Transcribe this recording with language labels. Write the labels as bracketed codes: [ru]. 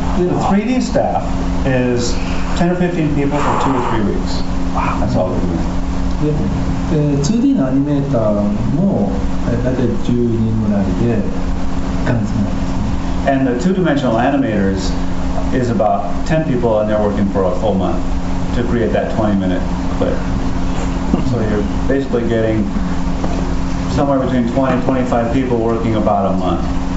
[en] The 3D staff is 10 or 15 people for 2 or 3 weeks. That's all we're doing. [ja] 2D のアニメーターも大体10人ぐらいで1ヶ月ぐらいですね。 [en] And the 2-dimensional animators is about 10 people and they're working for a full month to create that 20-minute clip. So you're basically getting somewhere between 20 and 25 people working about a month.